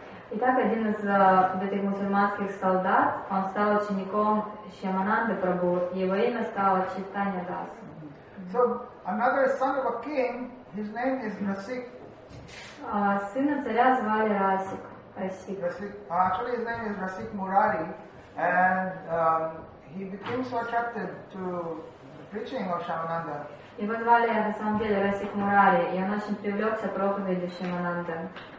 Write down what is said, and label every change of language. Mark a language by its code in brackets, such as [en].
[ru] И так один из этих мусульманских солдат, он стал учеником Шамананды Прабху, и его имя стало Чайтанья Дас. [en] So another son of a king, his name is Расик. [ru] Сына царя звали Расик. Расик. [en] Actually his name is Расик Мурари, and he became so attracted to the preaching of Шамананда. [ru] Его звали на самом деле Расик Мурари, и он очень привлекся проповеди Шамананды.